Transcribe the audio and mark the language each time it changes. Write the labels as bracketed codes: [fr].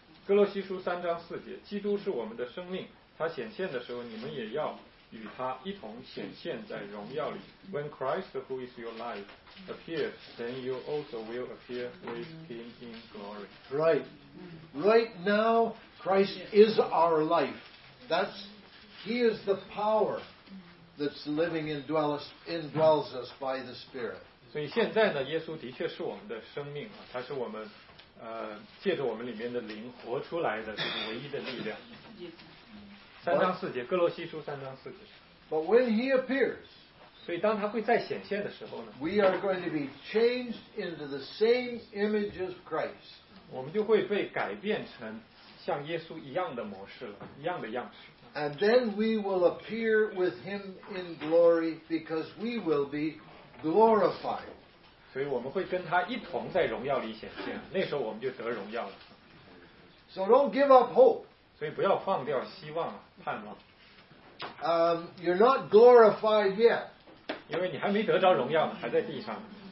[zh] 哥罗西书三章四节，基督是我们的生命，他显现的时候，你们也要与他一同显现在荣耀里。 [en] When Christ, who is your life, appears, then you also will appear with him in glory. Right. Right now, Christ is our life. That's, he is the power that's living and indwells us by the Spirit. [zh] 所以现在呢，耶稣的确是我们的生命，他是我们借着我们里面的灵活出来的这个唯一的力量。三章四节，哥罗西书三章四节。 [en] But when he appears, [zh] 所以当他会再显现的时候呢， [en] we are going to be changed into the same image of Christ. [zh] 我们就会被改变成像耶稣一样的模式了，一样的样式。 [en] And then we will appear with him in glory because we will be glorified. [zh] 所以我们会跟他一同在荣耀里显现，那时候我们就得荣耀了。 [en] So don't give up hope. [zh] 所以不要放掉希望盼望。 [en] You're not glorified yet. [zh] 因为你还没得着荣耀呢，还在地上。